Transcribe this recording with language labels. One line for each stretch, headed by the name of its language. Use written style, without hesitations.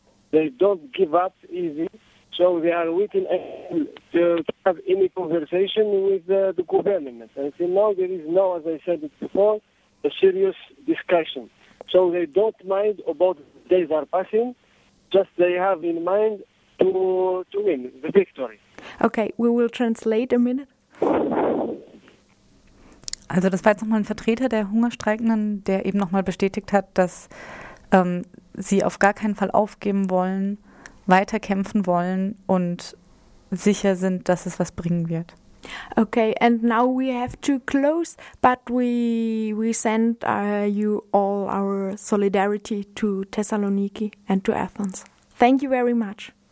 English: They don't give up easy, so they are waiting to have any conversation with the government. And so now there is no, as I said before, a serious discussion. So they don't mind about days are passing, just they have in mind to win the victory. Okay, we will translate a minute.
German: Also das war jetzt nochmal ein Vertreter der Hungerstreikenden, der eben nochmal bestätigt hat, dass sie auf gar keinen Fall aufgeben wollen, weiterkämpfen wollen und sicher sind, dass es was bringen wird.
English: Okay, and now we have to close, but we send you all our solidarity to Thessaloniki and to Athens. Thank you very much.